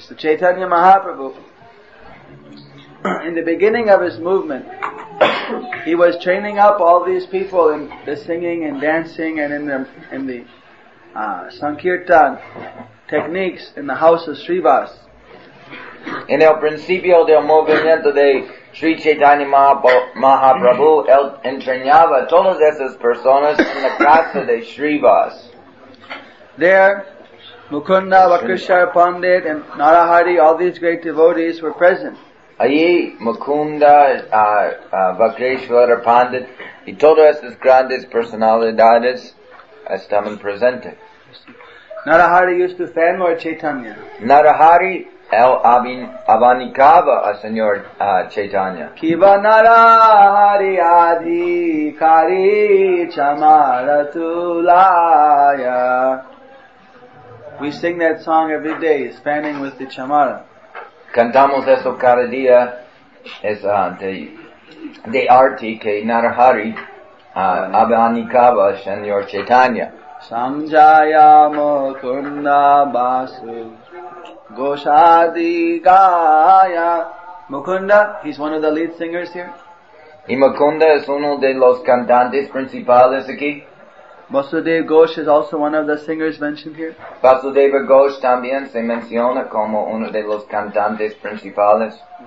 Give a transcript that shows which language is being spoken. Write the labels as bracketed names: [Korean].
[English] So Chaitanya Mahaprabhu, in the beginning of his movement, he was training up all these people in the singing and dancing and in the Sankirtan techniques in the house of Srivas. [Spanish] En el principio del movimiento de Sri Chaitanya Mahaprabhu, él entrenaba todas esas personas en la casa de Srivas. [English] There, Mukunda, Vakrishar Pandit, and Narahari, all these great devotees were present. [Spanish] Allí, Mukunda, Vakrishar Pandit, y todas estas grandes personalidades estaban presentes. [English] Narahari used to fan more Chaitanya. [Spanish] Narahari, él abanicaba a Señor Chaitanya. [Bangla] Kiva Narahari Adi Kari Chamaratulaya. [English] We sing that song every day, fanning with the chamara. [Spanish] Cantamos eso cada día, es de arte que Narahari abanicaba Señor Chaitanya. [Bangla] Sanjaya Mukunda Basu Goshadi Gaya. [English] Mukunda, he's one of the lead singers here. [Spanish] Y Mukunda es uno de los cantantes principales aquí. [English] Vasudeva Ghosh is also one of the singers mentioned here. [Spanish] Vasudeva Ghosh también se menciona como uno de los cantantes principales.